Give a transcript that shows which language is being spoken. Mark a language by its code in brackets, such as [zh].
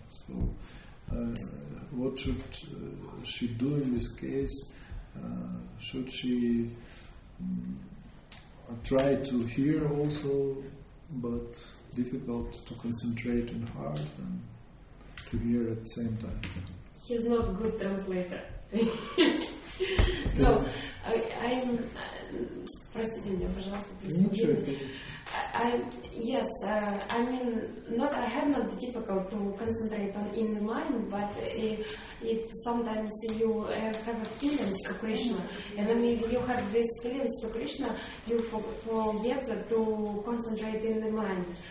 [en] So what should she do in this case? Should she try to hear also, but difficult to concentrate in heart and to hear at the same time? He's not a good translator. No, I'm... [ru] простите меня, пожалуйста. Ничего, [en] I have not difficult to concentrate on in the mind, but if sometimes you have a feelings to Krishna, and then if you have these feelings to Krishna, you forget to concentrate in the mind.